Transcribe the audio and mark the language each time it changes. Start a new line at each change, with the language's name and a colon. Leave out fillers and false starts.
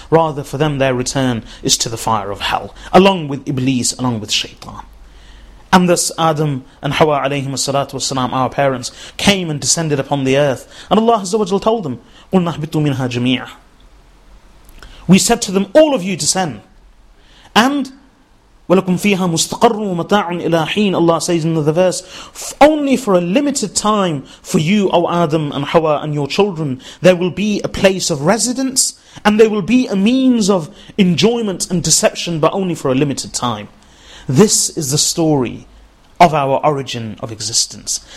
English: Rather, for them, their return is to the fire of hell, along with Iblis, along with Shaytan. And thus Adam and Hawa alayhim as-salatu was-salam, our parents, came and descended upon the earth. And Allah Azza wa Jal told them,
Arabic: قُلْنَا حْبِطُوا مِنْهَا جَمِيعًا.
English: We said to them, all of you descend.
Arabic: And وَلَكُمْ فِيهَا مُسْتَقَرٌ وَمَتَاعٌ إِلَىٰ حِينَ.
English: Allah says in the verse, only for a limited time for you, O Adam and Hawa and your children, there will be a place of residence and there will be a means of enjoyment and deception, but only for a limited time. This is the story of our origin of existence.